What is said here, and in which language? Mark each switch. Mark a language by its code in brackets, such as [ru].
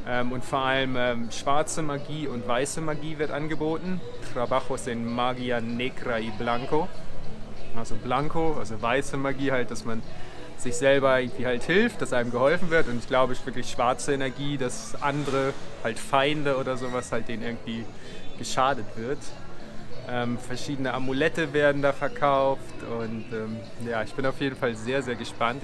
[de] Und vor allem schwarze Magie und weiße Magie wird angeboten. [es] Trabajos en magia negra y blanco. [de] Also blanco, also weiße Magie halt, dass man sich selber irgendwie halt hilft, dass einem geholfen wird. Und ich glaube, es ist wirklich schwarze Energie, dass andere halt Feinde oder sowas halt denen irgendwie geschadet wird. Verschiedene Amulette werden da verkauft und ja, ich bin auf jeden Fall sehr, sehr gespannt.